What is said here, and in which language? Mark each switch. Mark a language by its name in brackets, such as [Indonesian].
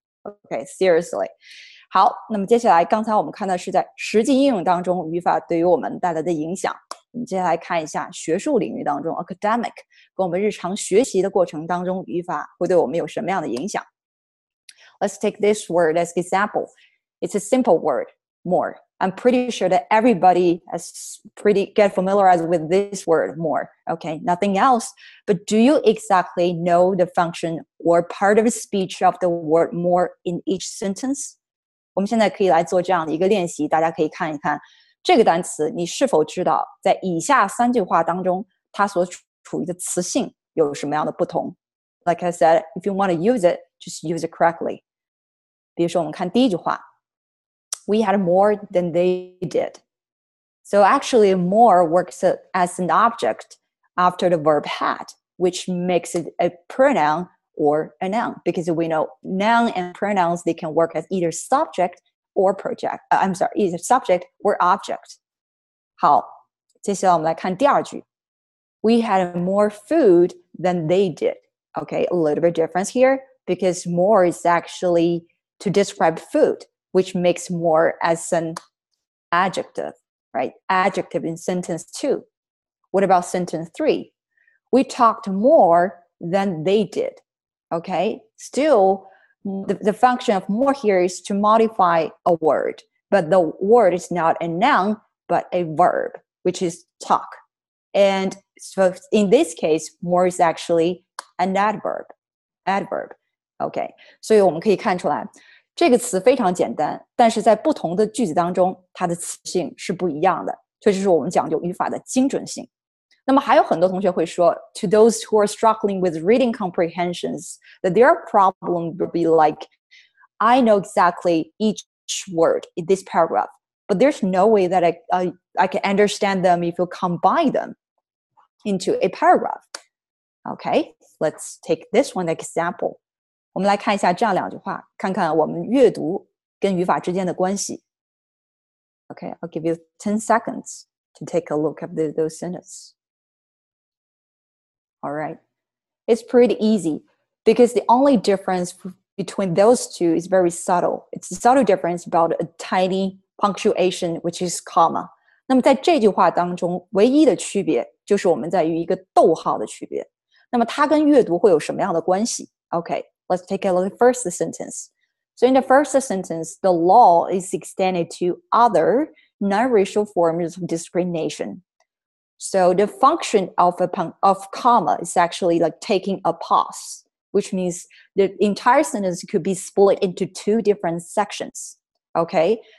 [English] Okay, seriously. [Chinese] 好，那么接下来，刚才我们看到是在实际应用当中语法对于我们带来的影响。我们接下来看一下学术领域当中 academic 跟我们日常学习的过程当中语法会对我们有什么样的影响。 [English] Let's take this word as an example. It's a simple word, more. I'm pretty sure that everybody has pretty get familiarized with this word more. Okay, nothing else. But do you exactly know the function or part of a speech of the word more in each sentence? [Chinese] 我们现在可以来做这样的一个练习，大家可以看一看这个单词，你是否知道在以下三句话当中，它所处于的词性有什么样的不同。 [English] like I said, if you want to use it, just use it correctly. [Chinese] 比如说我们看第一句话 [English] We had more than they did. So actually, more works as an object after the verb had, which makes it a pronoun or a noun. Because we know noun and pronouns, they can work as either subject or project. I'm sorry, either subject or object. [Chinese] 好，接下来我们来看第二句。 [English] We had more food than they did. Okay, a little bit difference here because more is actually to describe food, which makes more as an adjective, right? Adjective in sentence two. What about sentence three? We talked more than they did. Okay, still, the function of more here is to modify a word, but the word is not a noun, but a verb, which is talk. And so in this case, more is actually an adverb. Adverb. Okay. [Chinese] 所以我们可以看出来，这个词非常简单，但是在不同的句子当中，它的词性是不一样的。这就是我们讲究语法的精准性。那么还有很多同学会说 [English] ,to those who are struggling with reading comprehensions, that their problem will be like, I know exactly each word in this paragraph, but there's no way that I can understand them if you combine them into a paragraph. Okay, let's take this one example. [Chinese] 我们来看一下这样两句话，看看我们阅读跟语法之间的关系。 [English] Okay, I'll give you 10 seconds to take a look at those sentences. All right. It's pretty easy because the only difference between those two is very subtle. It's a subtle difference about a tiny punctuation, which is comma. [Chinese] 那么在这句话当中唯一的区别就是我们在于一个逗号的区别。那么它跟阅读会有什么样的关系? [English] Okay, let's take a look at the first sentence. So in the first sentence, the law is extended to other non-racial forms of discrimination. So the function of comma is actually like taking a pause, which means the entire sentence could be split into two different sections, okay?